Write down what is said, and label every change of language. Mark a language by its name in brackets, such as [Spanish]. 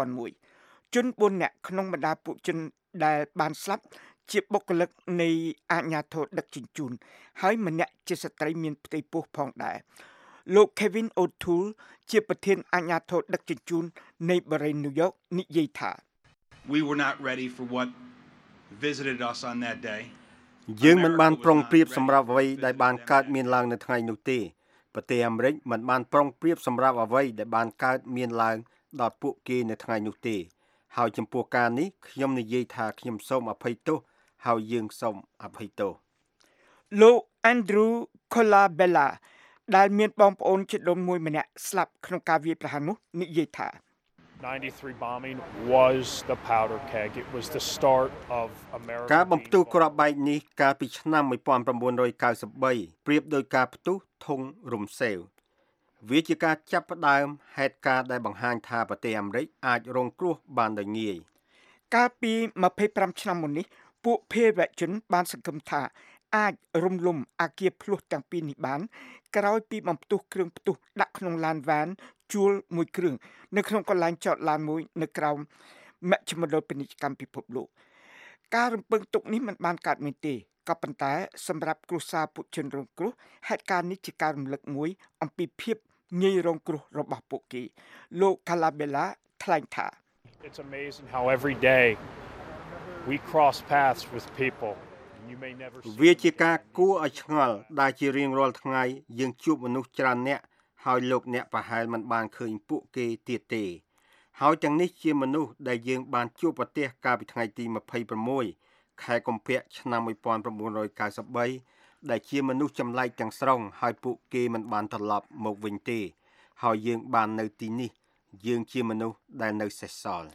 [Khmer] 2001ជន4នាក់ក្នុងបណ្ដាពួកជនដែលបានស្លាប់ជាបុគ្គលិកនៃអាជ្ញាធរដឹកជញ្ជូនហើយម្នាក់ជាស្ត្រីមានផ្ទៃពោះផងដែរលោក Kevin O'Toole ជាប្រធានអាជ្ញាធរដឹកជញ្ជូននៃបារីញូវយ៉កនិយាយថា [English] We were not ready for what visited us on that day [Khmer] យើងមិនបានប្រុងប្រៀបសម្រាប់អ្វីដែលបានកើតមានឡើងនៅថ្ងៃនោះទេប្រទេសអាមេរិកមិនបានប្រុងប្រៀបសម្រាប់អ្វីដែលបានកើតមានឡើងដល់ពួកគេនៅថ្ងៃនោះទេហើយចំពោះការនេះខ្ញុំនិយាយថាខ្ញុំសូមអភ័យទោសហើយយើងសូមអភ័យទោស លោក Andrew Colabella ដែលមានបងប្អូនជាដុំមួយម្នាក់ស្លាប់ក្នុងការវាយប្រហារនោះនិយាយថា [English] 93 bombing was the powder keg it was the start of America [Khmer] ការបំផ្ទុះគ្រាប់បែកនេះកាលពីឆ្នាំ1993ប្រៀបដោយការផ្ទុះធុងរំសេវវាជាការចាប់ផ្ដើមហេតុការដែលបង្ហាញថាប្រទេសអាមេរិកអាចរងគ្រោះបានដោយងាយ កាលពី25ឆ្នាំមុននេះពួកភេរវជនបានសង្កេតថាអាចរំលំអាគារផ្លោះទាំងពីរនេះបានក្រោយពីបំផ្ទុះគ្រឿងផ្ទុះដាក់ក្នុងឡានវ៉ានជួលមួយគ្រឿងនៅក្នុងកន្លែងចតឡានមួយនៅក្រោមមជ្ឈមណ្ឌលពាណិជ្ជកម្មពិភពលោកការរំពឹងទុកនេះមិនបានកើតមានទេក៏ប៉ុន្តែសម្រាប់គ្រួសារពួកជនរងគ្រោះហេតុការណ៍នេះជាការរំលឹកមួយអំពីភាពងាយរងគ្រោះរបស់ពួកគេលោក Calabella ថ្លែងថា [English] It's amazing how every day we cross paths with people you may never see [Khmer] វាជាការគួរឲ្យឆ្ងល់ដែលជារៀងរាល់ថ្ងៃយើងជួបមនុស្សច្រើនអ្នកហើយលោកអ្នកប្រហែលមិនបានឃើញពួកគេទៀតទេហើយទាំងនេះជាមនុស្សដែលយើងបានជួបប្រទះកាលពីថ្ងៃទី26ខែកុម្ភៈឆ្នាំ1993ដែលជាមនុស្សចម្លែកទាំងស្រុងហើយពួកគេមិនបានត្រឡប់មកវិញទេហើយយើងបាននៅទីនេះយើងជាមនុស្សដែលនៅសេសសល